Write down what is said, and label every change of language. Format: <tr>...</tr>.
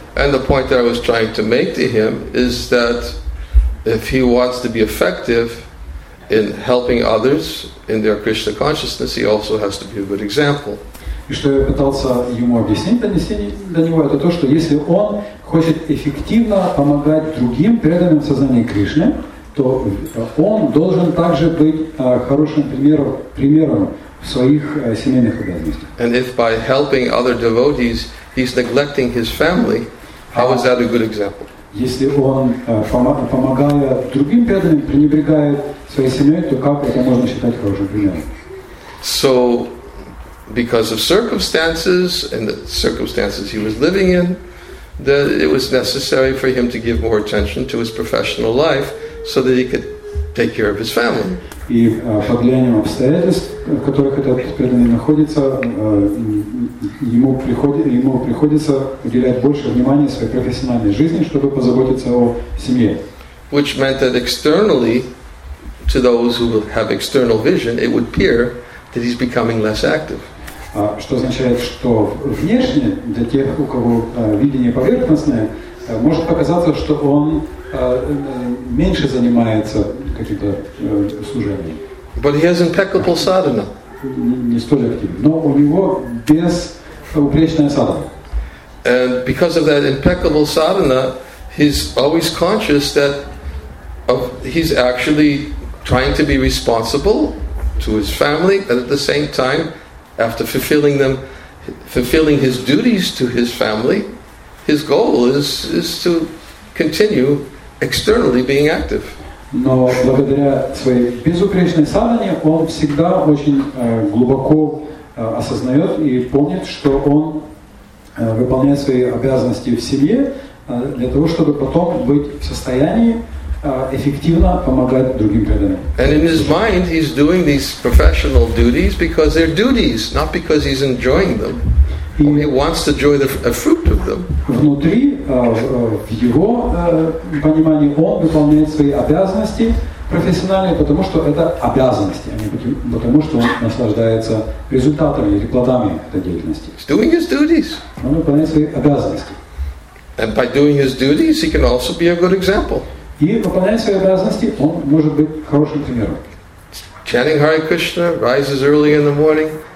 <en>And the point that I was trying to make to him is that if he wants to be effective in helping others in their Krishna consciousness, he also has to be a good example.</en> <ru>И что я пытался ему объяснить, донести до него, это то, что если он хочет эффективно помогать другим преданным в сознании Кришны, то он должен также быть хорошим примером в своих семейных обязанностях.</ru> <en>And if by helping other devotees he's neglecting his family, how is that a good example?</en> <ru>Если он, помогая другим преданным, пренебрегает своей семьей, то как это можно считать хорошим примером?</ru> <en>So, because of circumstances and the circumstances he was living in, that it was necessary for him to give more attention to his professional life so that he could take care of his family.</en> <ru>И под влиянием обстоятельств, в которых этот преданный находится, ему приходится уделять больше внимания своей профессиональной жизни, чтобы позаботиться о семье.</ru> <en>Which meant that externally, to those who have external vision, it would appear that he's becoming less active.</en> <ru>Что означает, что внешне, для тех, у кого видение поверхностное, может показаться, что он меньше занимается каким-то служением.</ru> <en>But he has impeccable sadhana.</en> <ru>Не столь активен. Но у него без упречная садхана.</ru> <en>And because of that impeccable sadhana, he's always conscious that he's actually trying to be responsible to his family, and at the same time, after fulfilling his duties to his family, his goal is to continue externally being active.</en> <ru>Но благодаря своей безупречной садхане он всегда очень глубоко осознает и помнит, что он выполняет свои обязанности в семье для того, чтобы потом быть в состоянии эффективно помогать другим преданным.</ru> <en>And in his mind he's doing these professional duties because they're duties, not because he's enjoying them. He wants to enjoy the fruit of them.</en> <ru>Внутри, в его понимании, он выполняет свои обязанности профессиональные, потому что это обязанности, а не потому что он наслаждается результатами или плодами этой деятельности.</ru> <en>He's doing his duties.</en> <ru>Он выполняет свои обязанности.</ru> <en>And by doing his duties, he can also be a good example.</en> <ru>И выполняя свои обязанности, он может быть хорошим примером.</ru> <en>Chanting Hare Krishna, rises early in the morning.</en>